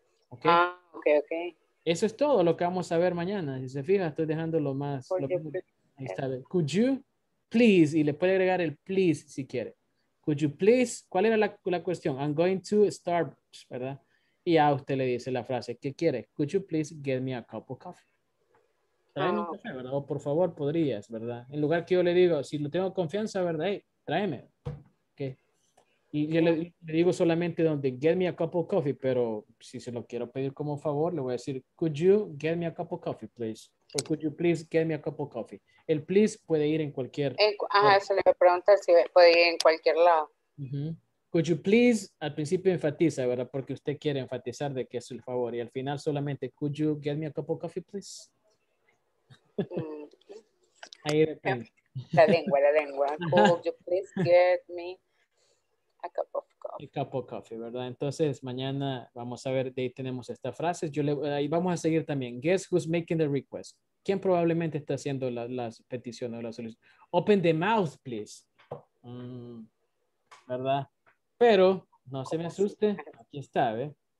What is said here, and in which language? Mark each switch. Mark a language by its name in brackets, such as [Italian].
[Spanish] ¿Ok? Ah, ok. Eso es todo lo que vamos a ver mañana. Si se fija, estoy dejando lo más. Ahí está. [English] Could you please, [Spanish] y le puede agregar el please si quiere. [English] Could you please, [Spanish] ¿cuál era la cuestión? [English] I'm going to Starbucks, ¿verdad? [Spanish] Y ya usted le dice la frase, ¿qué quiere? [English] Could you please get me a cup of coffee? [Spanish] Tráeme un café, ¿verdad? O por favor, podrías, ¿verdad? En lugar que yo le digo, si lo tengo confianza, ¿verdad? Hey, tráeme. ¿Okay? Y yo le digo solamente donde, [English] get me a cup of coffee, [Spanish] pero si se lo quiero pedir como favor, le voy a decir, [English] could you get me a cup of coffee, please? O could you please get me a cup of coffee? [Spanish] El please puede ir en cualquier... Se le pregunta si puede ir en cualquier lado. [English] Could you please, [Spanish] al principio enfatiza, ¿verdad? Porque usted quiere enfatizar de que es el favor. Y al final solamente, [English] could you get me a cup of coffee, please? [Spanish] Ahí depende. La lengua. [English] Could you please get me a cup of coffee? A cup of coffee, ¿verdad? [Spanish] Entonces, mañana vamos a ver, de ahí tenemos esta frase. Ahí vamos a seguir también. [English] Guess who's making the request? [Spanish] ¿Quién probablemente está haciendo las peticiones o las solicitudes? [English] Open the mouth, please. ¿Verdad? [Spanish] Pero, no se me asuste, aquí está, ¿ve?